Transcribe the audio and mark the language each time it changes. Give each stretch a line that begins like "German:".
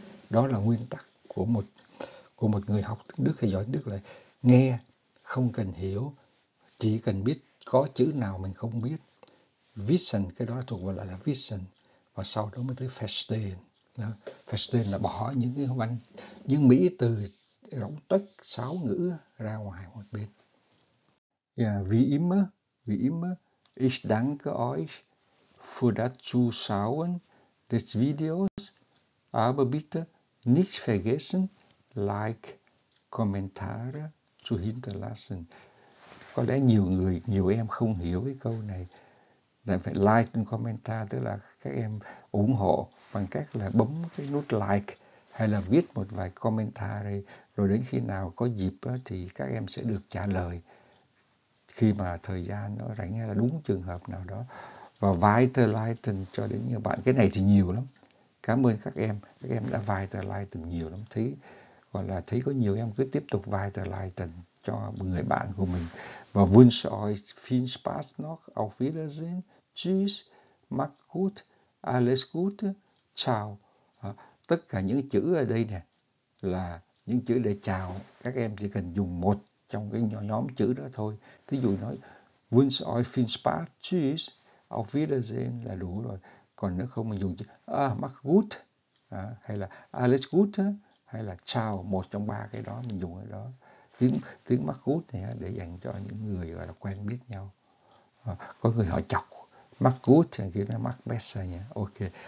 Vietnamese: Đó là nguyên tắc của một người học Đức hay giỏi Đức, là nghe, không cần hiểu, chỉ cần biết có chữ nào mình không biết. Vision, cái đó thuộc gọi là vision, và sau đó mới tới festen. Festen là bỏ những cái văn, những mỹ từ rỗng tuếch sáo ngữ ra ngoài một bên.
German: Wie immer, ich danke euch für das Zuschauen des Videos, aber bitte nicht vergessen, like, Kommentare zu hinterlassen.
Vietnamese: Có lẽ nhiều người, nhiều em không hiểu cái câu này. Là phải
English: like and comment,
Vietnamese: tức là các em ủng hộ bằng cách là bấm cái nút like hay là viết một vài commentary, rồi đến khi nào có dịp thì các em sẽ được trả lời khi mà thời gian nó rảnh hay là đúng trường hợp nào đó. Và
German: weiter liken
Vietnamese: cho đến nhiều bạn, cái này thì nhiều lắm. Cảm ơn các em đã weiter liken nhiều lắm. Thấy gọi là thấy có nhiều em cứ tiếp tục
German: weiter liken
Vietnamese: cho người bạn của mình.
German: Và wünsche euch viel Spaß noch, auf Wiedersehen, tschüss, mach gut, alles gut, ciao.
Vietnamese: Tất cả những chữ ở đây nè là những chữ để chào, các em chỉ cần dùng một trong cái nhóm chữ đó thôi. Thí dụ nói
German: wünsche euch viel Spaß, tschüss, auf Wiedersehen
Vietnamese: là đủ rồi. Còn nếu không mình dùng chữ
German: mach gut,
Vietnamese: hay là
German: alles gut,
Vietnamese: hay là ciao, một trong ba cái đó mình dùng ở đó. Tiếng mắc gút này để dành cho những người gọi là quen biết nhau. Có người họ chọc mắc gút thì kia nó mắc besser nhỉ. Ok.